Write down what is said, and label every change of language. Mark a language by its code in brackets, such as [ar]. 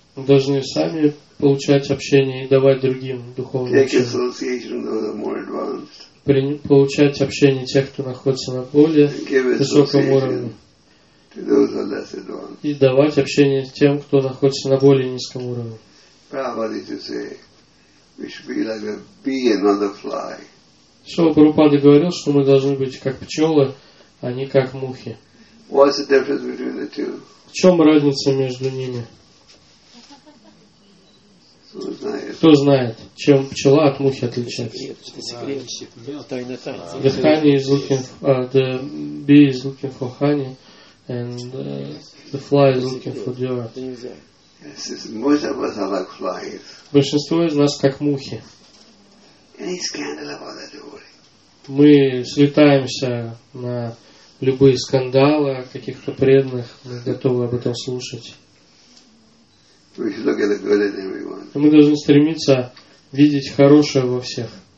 [ru] Мы должны сами получать общение и давать другим духовное общение. [en] Take association of the more advanced. [ru] Получать общение тех, кто находится на более высоком уровне. [en] To those who are less advanced. [ru] И давать общение тем, кто находится на более низком уровне. [en] Prabhupada used to say, we should be like a bee and not a fly. [ru] Шрила Прабхупада говорил, что мы должны быть как пчелы, а не как мухи. [en] What's the difference between the two? [ru] В чем разница между ними? Кто знает, чем пчела от мухи отличается? [en] The honey is looking for, the bee is looking for honey, and the fly is looking for dirt. Most of us are like flies. [ru] Большинство из нас как мухи. [en] Any scandal about that, don't worry. [ru] Мы слетаемся на любые скандалы о каких-то преданных, мы готовы об этом слушать. Мы должны стремиться видеть хорошее во всех.